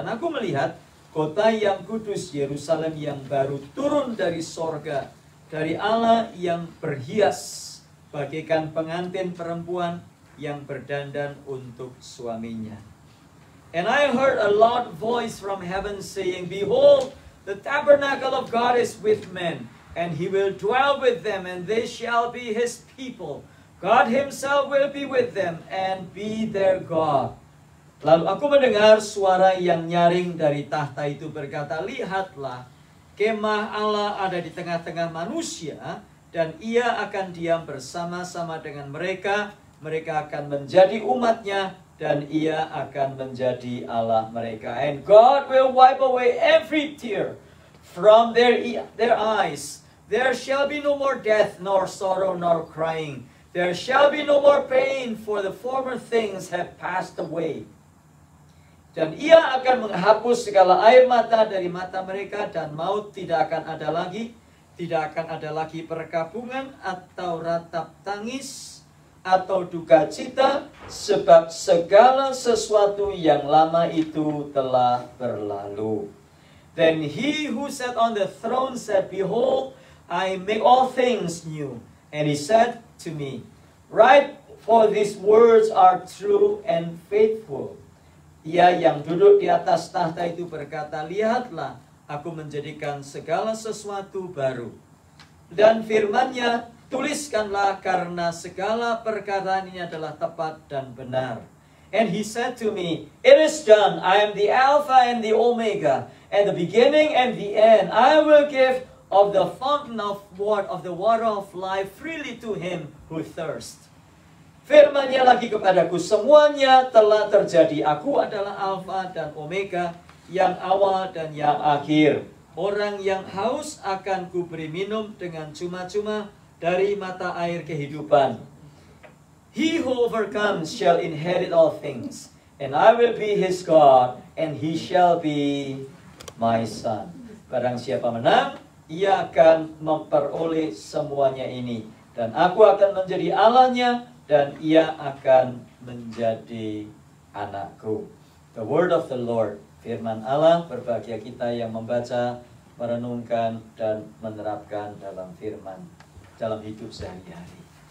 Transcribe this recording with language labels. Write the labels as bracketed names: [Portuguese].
[Indonesian] Dan aku melihat kota yang kudus, Yerusalem yang baru, turun dari sorga, dari Allah yang berhias, bagaikan pengantin perempuan yang berdandan untuk suaminya. [English] And I heard a loud voice from heaven saying, Behold, the tabernacle of God is with men, and he will dwell with them, and they shall be his people. God himself will be with them and be their God. [Indonesian] Lalu aku mendengar suara yang nyaring dari tahta itu berkata, Lihatlah, kemah Allah ada di tengah-tengah manusia, dan ia akan diam bersama-sama dengan mereka. Mereka akan menjadi umatnya, dan ia akan menjadi Allah mereka. [English] And God will wipe away every tear from their eyes. There shall be no more death, nor sorrow, nor crying. There shall be no more pain, for the former things have passed away. [Indonesian] Dan ia akan menghapus segala air mata dari mata mereka, dan maut tidak akan ada lagi. Tidak akan ada lagi perkabungan atau ratap tangis atau duka cita, sebab segala sesuatu yang lama itu telah berlalu. [English] Then he who sat on the throne said, Behold, I make all things new. And he said to me, Write, for these words are true and faithful. [Indonesian] Ia yang duduk di atas tahta itu berkata, Lihatlah, aku menjadikan segala sesuatu baru. Dan firman-Nya, Tuliskanlah, karena segala perkataannya adalah tepat dan benar. [English] And he said to me, It is done. I am the Alpha and the Omega, and the beginning and the end. I will give of the fountain of water, of the water of life freely to him who thirsts. [Indonesian] Firman-Nya lagi kepadaku, Semuanya telah terjadi. Aku adalah Alpha dan Omega, yang awal dan yang akhir. Orang yang haus akan kuberi minum dengan cuma-cuma dari mata air kehidupan. [English] He who overcomes shall inherit all things, and I will be his God, and he shall be my son. [Indonesian] Barang siapa menang, ia akan memperoleh semuanya ini, dan aku akan menjadi Allah-Nya, dan ia akan menjadi anakku. [English] The word of the Lord, [Indonesian] firman Allah, berbahagia kita yang membaca, merenungkan, dan menerapkan dalam firman dalam hidup sehari-hari.